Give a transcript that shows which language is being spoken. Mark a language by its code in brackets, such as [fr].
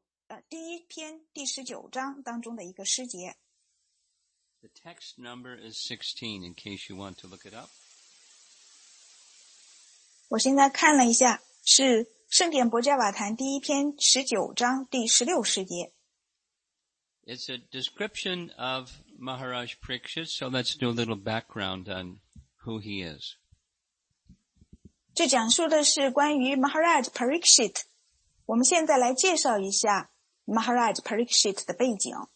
[zh] 今天晚上我们来讨论圣典伯加瓦坛第一篇第十九章当中的一个诗节。 [en] The text number is 16, in case you want to look it up. [zh] 我现在看了一下，是 圣典伯加瓦坛第一篇十九章第十六诗节。 [en] It's a description of Maharaj Parikshit, so let's do a little background on who he is. [zh] 这讲述的是关于 Maharaj Parikshit. 我们现在来介绍一下 Maharaj Parikshit 的背景。